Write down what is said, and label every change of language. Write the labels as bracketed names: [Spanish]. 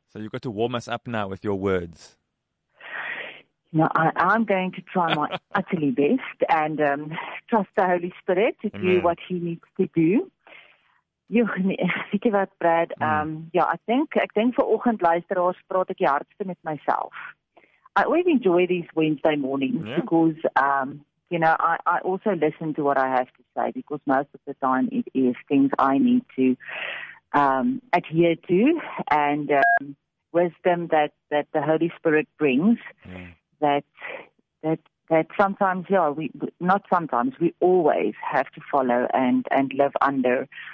[English] So you got to warm us up now with your words. No, I'm going to try my utterly best and trust the Holy Spirit to do what he needs to do. [Afrikaans] Weet jy wat, Brad? Ja, ek denk vir oggend luisteraars praat ek die hardste met myself. [English] I always enjoy these Wednesday mornings because, you know, I also listen to what I have to say because most of the time it is things I need to adhere to and wisdom that the Holy Spirit brings that sometimes, yeah, we always have to follow and live under.